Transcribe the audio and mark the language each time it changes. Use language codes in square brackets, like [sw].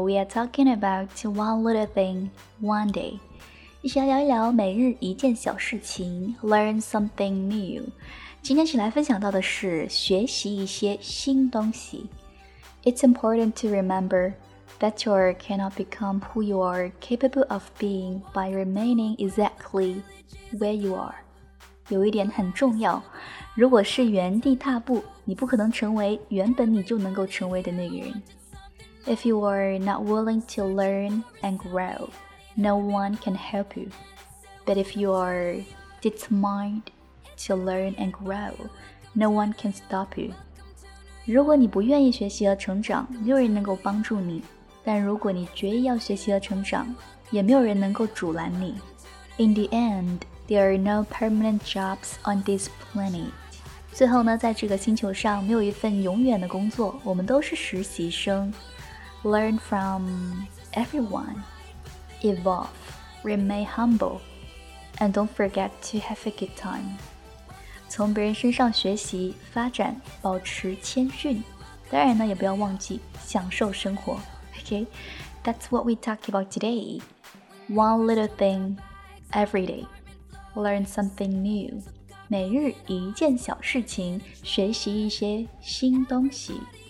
[en] We are talking about one little thing one day. [zh] 一起来聊一聊每日一件小事情 [en] Learn something new. [zh] 今天起来分享到的是学习一些新东西。 [en] It's important to remember that you cannot become who you are capable of being by remaining exactly where you are. [zh] 有一点很重要，如果是原地踏步，你不可能成为原本你就能够成为的那个人。 [en] If you are not willing to learn and grow, no one can help you. But if you are determined to learn and grow, no one can stop you. [zh] 如果你不愿意学习和成长，没有人能够帮助你。但如果你决意要学习和成长，也没有人能够阻拦你。 [en] In the end, there are no permanent jobs on this planet. [zh] 最后呢，在这个星球上没有一份永远的工作，我们都是实习生。 [en] Learn from everyone. Evolve. Remain humble. And don't forget to have a good time. [zh] 从别人身上学习、发展、保持谦逊。当然呢，也不要忘记享受生活。 [en] Okay, that's what we talk about today. One little thing every day. Learn something new. [zh] 每日一件小事情，学习一些新东西。